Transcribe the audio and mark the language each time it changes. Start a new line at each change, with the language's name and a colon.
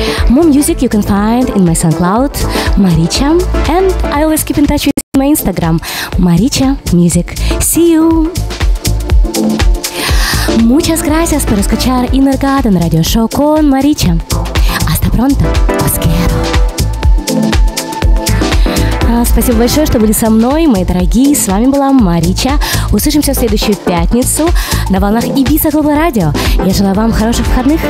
English: More music you can find in my SoundCloud, Maricha, and I always keep in touch with my Instagram, Maricha Music. See you!
Spanish: Muchas gracias por escuchar Inner Garden Radio Show con Maricha. Hasta pronto, os quiero.
Russian: Спасибо большое, что были со мной, мои дорогие. С вами была Маричча. Услышимся в следующую пятницу на волнах Ibiza Global Radio. Я желаю вам хороших выходных.